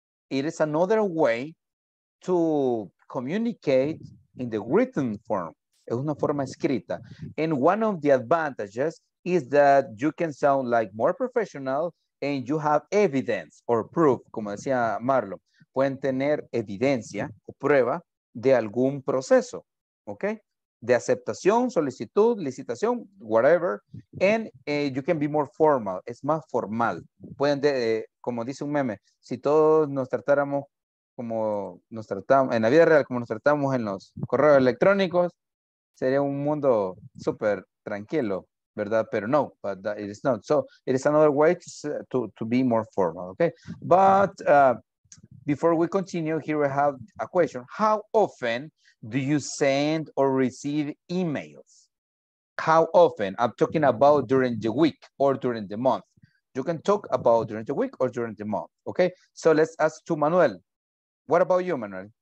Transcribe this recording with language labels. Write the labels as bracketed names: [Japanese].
[English] It is another way to communicate in the written form. [Spanish] Es una forma escrita. [English] And one of the advantages is that you can sound like more professional and you have evidence or proof, [Spanish] como decía Marlon. Pueden tener evidencia o prueba de algún proceso, ¿ok? De aceptación, solicitud, licitación, whatever. [English] And you can be more formal. [Spanish] Es más formal. Pueden, como dice un meme, si todos nos tratáramos como nos tratamos en la vida real, como nos tratamos en los correos electrónicos, sería un mundo súper tranquilo, ¿verdad? Pero no, [English] but that it is not. So it is another way to be more formal, okay? But before we continue, here we have a question. How often do you send or receive emails? How often? I'm talking about during the week or during the month. You can talk about during the week or during the month, okay? So let's ask to Manuel. What about you, Manuel?